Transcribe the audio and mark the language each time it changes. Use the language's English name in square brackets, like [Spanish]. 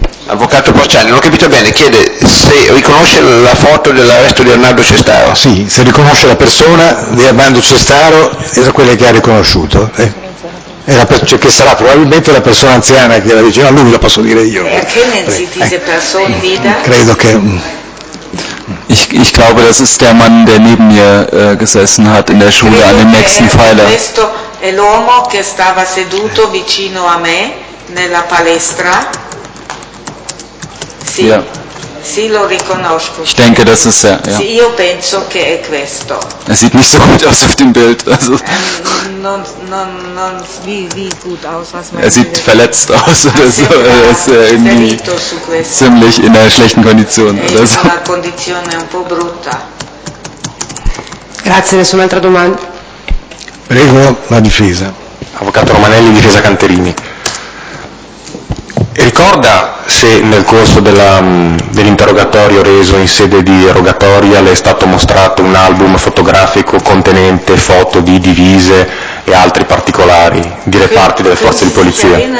[Italian] Avvocato Porciani, non ho capito bene, chiede se riconosce la foto dell'arresto di Arnaldo Cestaro. Sì, se riconosce la persona di Arnaldo Cestaro, è quella che ha riconosciuto. Che sarà probabilmente la persona anziana che era vicino a lui, lo posso dire io. Perché non si dice persona vita? Credo che... [German] Ich glaube, das ist der Mann, der neben mir gesessen hat in der Schule an dem nächsten Pfeiler. [Italian] Questo è l'uomo che stava seduto vicino a me nella palestra. [German] Ja. [Italian] Sì, lo riconosco. [German] Ich denke, das ist er. Ja. [Italian] Sì, io penso che è questo. [German] Es sieht nicht so gut aus auf dem Bild. Also non wie gut aus, was man. Er sieht verletzt aus oder so. Er ist irgendwie ziemlich in einer schlechten Kondition oder so. [Italian] Una condizione un po' brutta. Grazie, nessun'altra domanda. Prego, la difesa. Avvocato Romanelli, difesa Cantellini. Ricorda se nel corso dell'interrogatorio reso in sede di rogatoria le è stato mostrato un album fotografico contenente foto di divise e altri particolari di reparti delle forze di polizia?